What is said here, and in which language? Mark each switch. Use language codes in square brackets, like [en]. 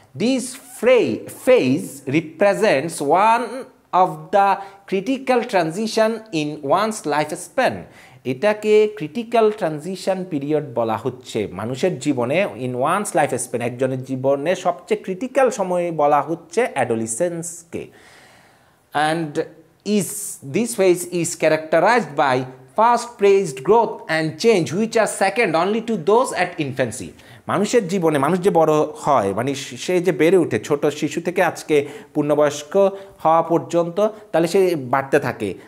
[en] this phase represents one of the critical transition in one's life span, [bn] এটাকে critical transition period বলা হচ্ছে মানুষের জীবনে, [en] in one's life span, [bn] একজনের জীবনে সবচেয়ে ক্রিটিক্যাল সময় বলা হচ্ছে অ্যাডোলিসেন্সকে। [en] And is this phase is characterized by fast-paced growth and change which are second only to those at infancy. [bn] মানুষের জীবনে মানুষ যে বড় হয়, মানে সে যে বেড়ে ওঠে ছোট শিশু থেকে আজকে পূর্ণবয়স্ক হওয়া পর্যন্ত, তাহলে সে বাড়তে থাকে।